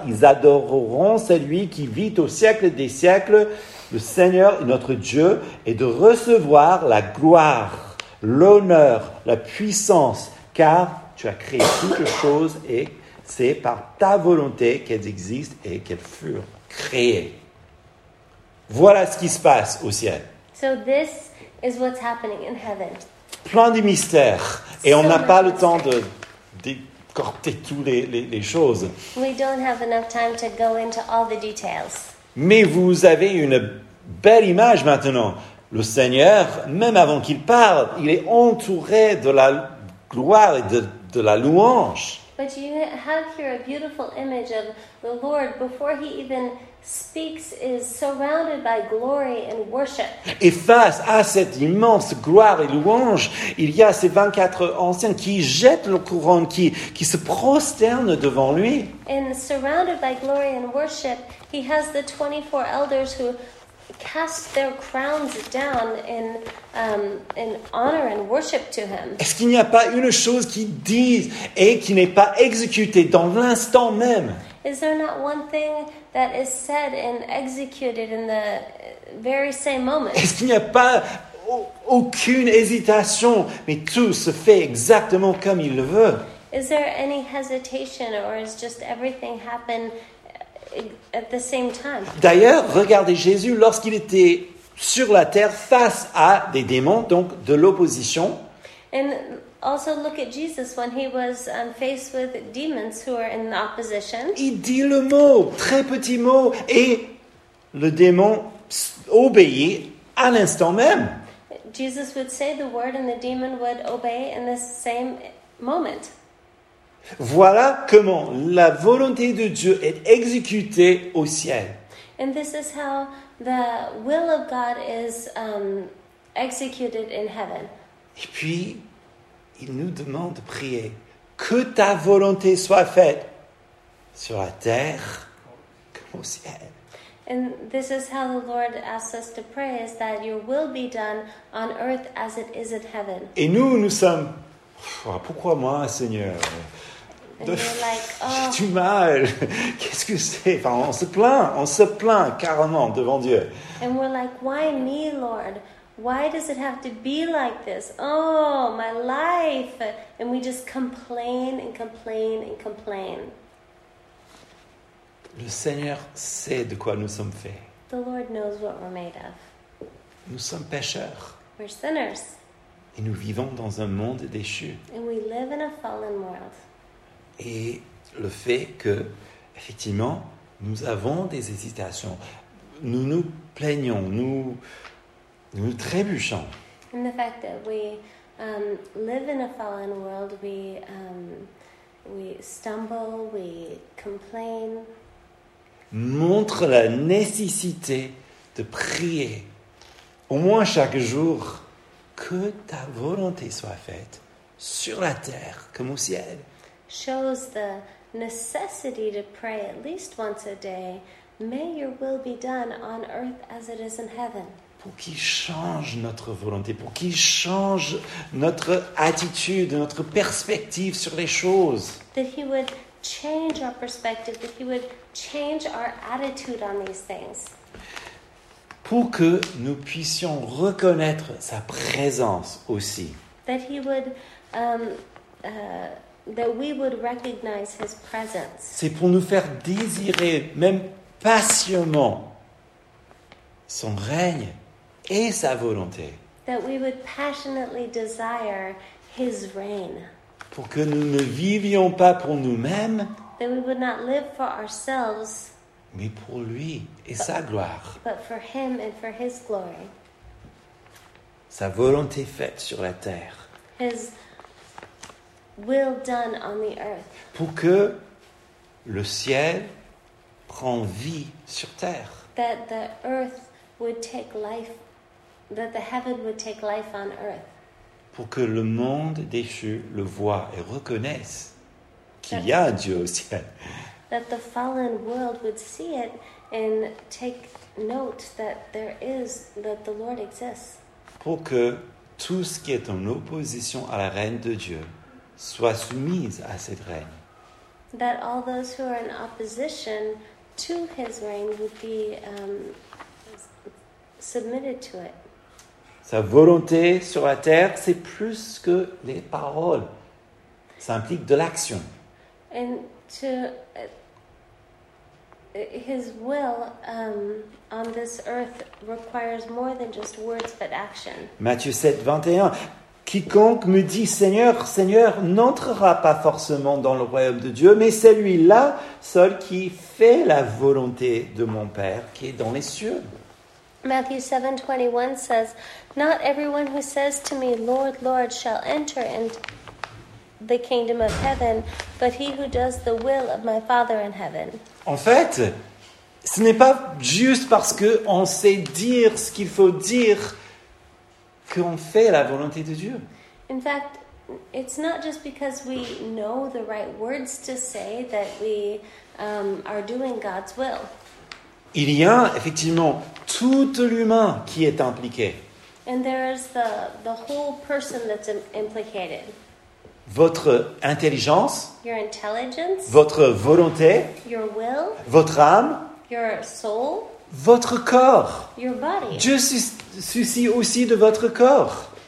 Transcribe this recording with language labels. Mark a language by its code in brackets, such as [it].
[fr] Ils adoreront celui qui vit au siècle des siècles, le Seigneur notre Dieu, et de recevoir la gloire, l'honneur, la puissance, car tu as créé toutes choses et c'est par ta volonté qu'elles existent et qu'elles furent créées. Voilà ce qui se passe au ciel. [en] So this is what's happening in heaven. [fr] plein de mystères et on n'a pas le temps de décorter toutes les choses. [en] We don't have enough time to go into all the details. [fr] Mais vous avez une belle image maintenant. Le Seigneur, même avant qu'il parle, il est entouré de la gloire et de la louange. [en] But you have here a beautiful image of the Lord before he even speaks is surrounded by glory and worship. [fr] Et face à cette immense gloire et louange, il y a ces 24 anciens qui jettent leur couronne, qui se prosternent devant lui. [en] And surrounded by glory and worship, he has the 24 elders who cast their crowns down in honor and worship to him. [fr] Est-ce qu'il n'y a pas une chose qui dit et qui n'est pas exécutée dans l'instant même? [en] Is there not one thing that is said and executed in the very same moment? [fr] Est-ce qu'il n'y a pas aucune hésitation, mais tout se fait exactement comme il le veut? [en] Is there any hesitation, or is just everything happen at the same time? [fr] D'ailleurs, regardez Jésus lorsqu'il était sur la terre face à des démons, donc de l'opposition. [en] And also look at Jesus when he was faced with demons who are in the opposition. [fr] Il dit le mot, très petit mot, et le démon obéit à l'instant même. [en] Jesus would say the word and the demon would obey in the same moment. [fr] Voilà comment la volonté de Dieu est exécutée au ciel. [en] And this is how the will of God is executed in heaven. [fr] Et puis il nous demande de prier que ta volonté soit faite sur la terre comme au ciel. [en] And this is how the Lord asks us to pray, is that your will be done on earth as it is in heaven. [fr] Et nous, nous sommes, pourquoi moi, Seigneur? [en] And you're like, oh. [fr] J'ai du mal. Qu'est-ce que c'est? Enfin, on se plaint carrément devant Dieu. [en] And we're like, why me, Lord? Why does it have to be like this? Oh, my life. And we just complain and complain and complain. [fr] Le Seigneur sait de quoi nous sommes faits. [en] The Lord knows what we're made of. [fr] Nous sommes pécheurs. [en] We're sinners. [fr] Et nous vivons dans un monde déchu. [en] And we live in a fallen world. [fr] Et le fait que, effectivement, nous avons des hésitations, nous nous plaignons, nous trébuchons. [en] And the fact that we live in a fallen world, we stumble, we complain. [fr] Montre la nécessité de prier, au moins chaque jour, que ta volonté soit faite sur la terre comme au ciel. [en] Shows the necessity to pray at least once a day. May your will be done on earth as it is in heaven. [fr] Pour qu'il change notre volonté, pour qu'il change notre attitude, notre perspective sur les choses. [en] That he would change our perspective, that he would change our attitude on these things. [fr] Pour que nous puissions reconnaître sa présence aussi. [en] That he would that we would recognize his presence. [fr] C'est pour nous faire désirer, même passionnément, son règne et sa volonté. [en] That we would passionately desire his reign. [fr] Pour que nous ne vivions pas pour nous-mêmes. [en] That we would not live for ourselves. [fr] Mais pour lui et sa gloire. [en] But for him and for his glory. [fr] Sa volonté faite sur la terre. [en] His will done on the earth. [fr] Pour que le ciel prend vie sur terre. [en] That the earth would take life, that the heaven would take life on earth. [fr] Pour que le monde déchu le voie et reconnaisse qu'il y a un Dieu au ciel. [en] That the fallen world would see it and take note that there is, that the Lord exists. [fr] Pour que tout ce qui est en opposition à la reine de Dieu soit soumise à cette règne. [en] That all those who are in opposition to his reign would be submitted to it. [fr] Sa volonté sur la terre, c'est plus que les paroles. Ça implique de l'action. [en] And to his will on this earth requires more than just words but action. [fr] Matthieu 7, 21. Quiconque me dit Seigneur, Seigneur n'entrera pas forcément dans le royaume de Dieu, mais celui-là seul qui fait la volonté de mon Père qui est dans les cieux. [en] Matthew 7:21 says, not everyone who says to me, Lord, Lord, shall enter into the kingdom of heaven, but he who does the will of my Father in heaven. [fr] En fait, ce n'est pas juste parce que on sait dire ce qu'il faut dire qu'on fait la volonté de Dieu. [en] In fact, it's not just because we know the right words to say that we are doing God's will. [fr] Il y a effectivement tout l'humain qui est impliqué. [en] And there is the whole person that's implicated. [fr] Votre intelligence, [en] your intelligence, [fr] votre volonté, [en] your will, [fr] votre âme, [en] your soul, [fr] votre corps. [en] Your body. [fr] Dieu soucie aussi de votre corps.